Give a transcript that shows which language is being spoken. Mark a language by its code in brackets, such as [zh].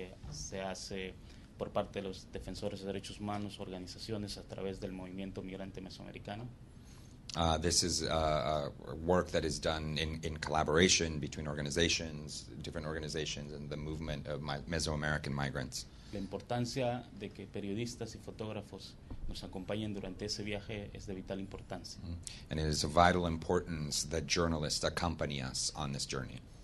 [es] Se hace por parte de los defensores de derechos humanos, organizaciones a través del movimiento migrante mesoamericano. [en] This is a work that is done in collaboration between organizations, different organizations, and the movement of Mesoamerican migrants. [es] La importancia de que periodistas y fotógrafos nos acompañen durante ese viaje es de vital importancia. [en] And it is of vital importance that journalists accompany us on this journey.